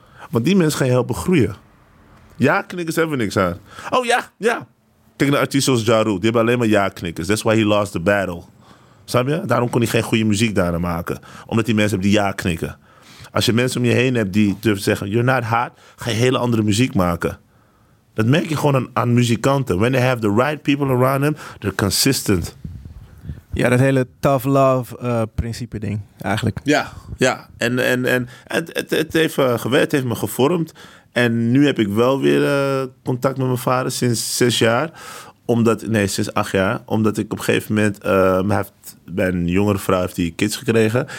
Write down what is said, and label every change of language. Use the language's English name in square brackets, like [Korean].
[Dutch] Want die mensen gaan je helpen groeien. Ja, knikkers hebben niks aan. Oh ja, ja. Kijk naar artiesten zoals Ja Rule, die hebben alleen maar ja knikkers. [English] That's why he lost the battle. [Dutch] Snap je? Daarom kon hij geen goede muziek daarna maken. Omdat die mensen hebben die ja knikken. Als je mensen om je heen hebt die durven zeggen, [English] you're not hot, [Dutch] ga je hele andere muziek maken. Dat merk je gewoon aan muzikanten. [English] When they have the right people around them, they're consistent. [Dutch] Ja, dat hele tough love principe ding, eigenlijk. Ja. Het heeft me gevormd. En nu heb ik wel weer contact met mijn vader sinds 6 jaar. Sinds 8 jaar. Omdat ik op een gegeven moment... mijn jongere vrouw heeft die kids gekregen.